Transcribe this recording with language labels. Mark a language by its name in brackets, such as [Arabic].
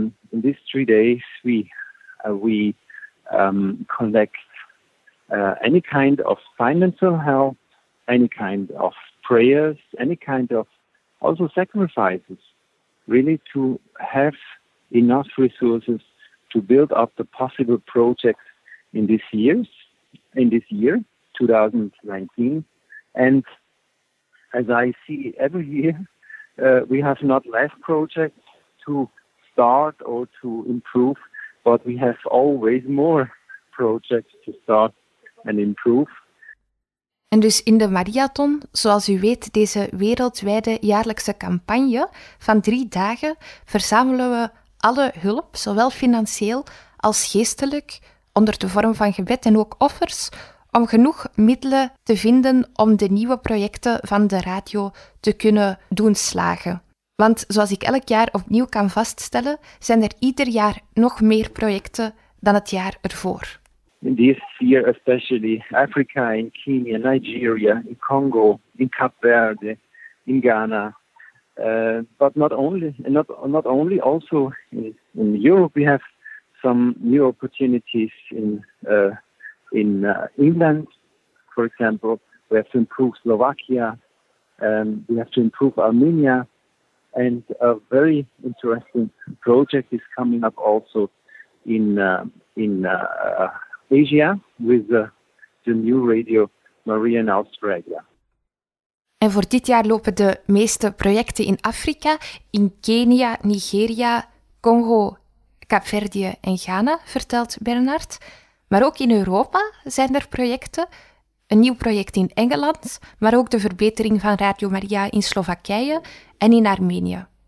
[English] In these 3 days we collect any kind of financial help, any kind of prayers, any kind of also sacrifices, really to have enough resources to build up the possible projects in this year, 2019. And as I see every year, we have not less projects to start or to improve, but we have always more projects to start. And improve. [Dutch] En dus in de Mariathon, zoals u weet, deze wereldwijde jaarlijkse campagne van 3 dagen, verzamelen we alle hulp, zowel financieel als geestelijk, onder de vorm van gebed en ook offers, om genoeg middelen te vinden om de nieuwe projecten van de radio te kunnen doen slagen. Want zoals ik elk jaar opnieuw kan vaststellen, zijn er ieder jaar nog meer projecten dan het jaar ervoor. [English] In this year, especially Africa, in Kenya, Nigeria, in Congo, in Cape Verde, in Ghana, but not only also in Europe, we have some new opportunities in England, for example. We have to improve Slovakia, we have to improve Armenia, and a very interesting project is coming up also in Asia, with the new Radio Maria in Australia. [Dutch] En voor dit jaar lopen de meeste projecten in Afrika, in Kenia, Nigeria, Congo, Kaapverdië en Ghana, vertelt Bernard. Maar ook in Europa zijn er projecten. Een nieuw project in Engeland, maar ook de verbetering van Radio Maria in Slowakije en in Armenië.